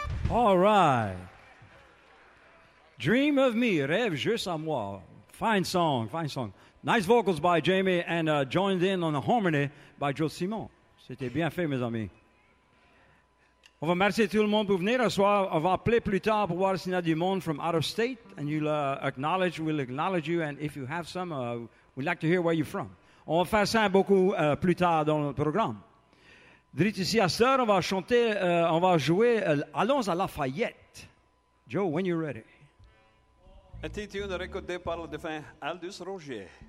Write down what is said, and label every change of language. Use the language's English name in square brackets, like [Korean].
[English] All right. Dream of me, [French] rêve juste à moi. [English] Fine song, fine song. Nice vocals by Jamie and joined in on the harmony by Joe Simon. [French] C'était bien fait, mes amis. On va remercier tout le monde pour venir ce soir. On va appeler plus tard pour voir s'il y a du monde [English] from out of state. And you'll acknowledge, we'll acknowledge you. And if you have some, we'd like to hear where you're from. [French] On va faire ça beaucoup plus tard dans le programme. Drit ici à soeur, on va chanter, on va jouer Allons à Lafayette. [English] Joe, when you're ready. [French] Un titre de record par le défunt Aldous Roger.